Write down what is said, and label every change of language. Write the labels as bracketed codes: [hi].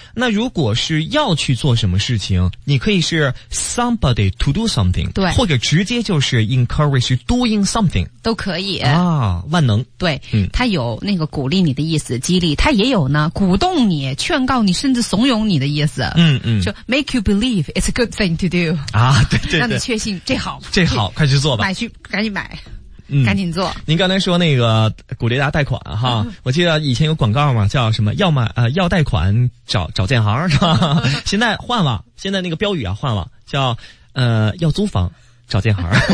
[zh] 那如果是要去做什么事情，你可以是 [en] somebody to do something， [zh] 对，或者直接就是 [en] encourage doing something， [zh] 都可以啊，万能。对，嗯，他有那个鼓励你的意思，激励，他也有呢，鼓动你、劝告你，甚至怂恿你的意思。嗯嗯， [en] 就 make you believe it's a good thing to do [zh] 啊，对对对，让你确信这好，这好，快去做吧，买去，赶紧买。赶紧做。您刚才说那个鼓励大家贷款哈，我记得以前有广告嘛，叫什么要贷款找建行是吧？现在换了，现在那个标语啊换了，叫要租房找建行。